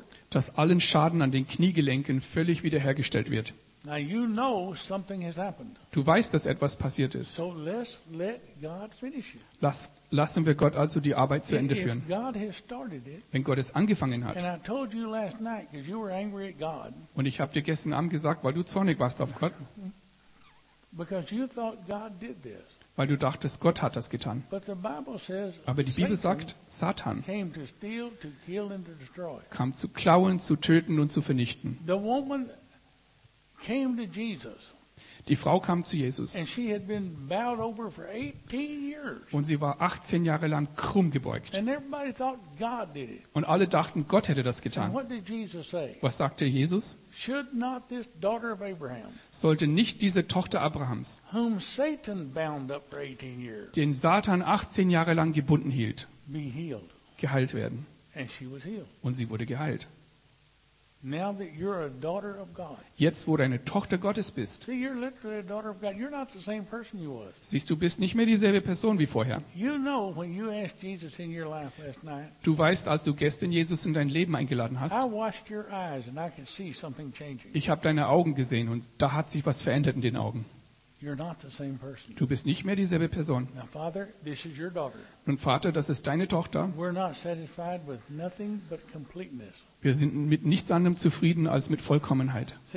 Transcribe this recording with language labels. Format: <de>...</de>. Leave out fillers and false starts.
<de>Dass allen Schaden an den Kniegelenken völlig wiederhergestellt wird.</de> <en>Now you know something has happened.</en> <de>Du weißt, dass etwas passiert ist.</de> <en>So let's let God finish it.</en> <de>Lassen wir Gott also die Arbeit zu Ende führen.</de> <en>If God has started it,</en> <de>wenn Gott es angefangen hat.</de> <en>And I told you last night, 'cause you were angry at God,</en> <de>und ich habe dir gestern Abend gesagt, weil du zornig warst auf Gott.</de> <en>Because you thought God did this.</en> <de>Weil du dachtest, Gott hat das getan.</de> <en>But the Bible says,</en> <de>aber die Bibel sagt, Satan</de> <en>came to steal, to kill and to destroy.</en> <de>Kam zu klauen, zu töten und zu vernichten.</de> <en>The woman came to Jesus.</en> <de>Die Frau kam zu Jesus.</de> <en>And she had been bowed over for 18 years.</en> <de>Und sie war 18 Jahre lang krumm gebeugt.</de> <en>And everybody thought God did it.</en> <de>Und alle dachten, Gott hätte das getan.</de> <en>And what did Jesus say?</en> <de>Was sagte Jesus?</de> <en>Should not this daughter of Abraham,</en> <de>sollte nicht diese Tochter Abrahams,</de> <en>whom Satan bound up for 18 years,</en> <de>den Satan 18 Jahre lang gebunden hielt,</de> <en>be healed.</en> <de>Geheilt werden.</de> <en>And she was healed.</en> <de>Und sie wurde geheilt.</de> <en>Now that you're a daughter of God.</en> <de>Jetzt, wo du eine Tochter Gottes bist.</de> <en>See, you're literally a daughter of God. You're not the same person you was.</en> <de>Siehst du, bist nicht mehr dieselbe Person wie vorher.</de> <en>You know, when you asked Jesus in your life last night.</en> <de>Du weißt, als du gestern Jesus in dein Leben eingeladen hast.</de> <en>I watched your eyes and I could see something changing.</en> <de>Ich habe deine Augen gesehen und da hat sich was verändert in den Augen.</de> <en>You're not the same person.</en> <de>Du bist nicht mehr dieselbe Person.</de> <en>Now, Father, this is your daughter.</en> <de>Nun, Vater, das ist deine Tochter.</de> <en>We're not satisfied with nothing but completeness.</en> <de>Wir sind mit nichts anderem zufrieden als mit Vollkommenheit.</de>